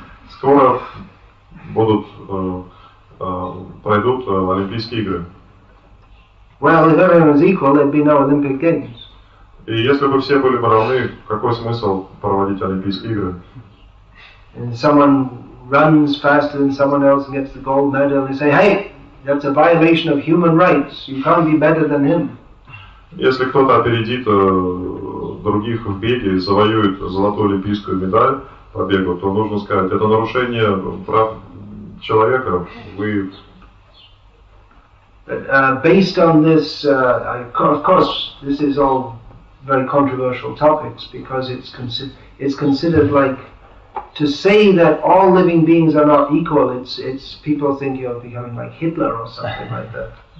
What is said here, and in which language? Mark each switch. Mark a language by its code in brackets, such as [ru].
[ru] Скоро будут пройдут Олимпийские игры. [en] Well, if everyone was equal, there'd be no Olympic Games. [ru] И если бы все были равны, какой смысл проводить Олимпийские игры? [en] And someone runs faster than someone else and gets the gold medal, and they say, "Hey, that's a violation of human rights. You can't be better than him." [ru] Если кто-то опередит других в беге и завоюет золотую олимпийскую медаль по бегу, то нужно сказать, это нарушение прав человека. Вы... [en] Based on this, of course, this is all very controversial topics because it's considered like to say that all living beings are not equal. It's people think you're becoming like Hitler or something like that.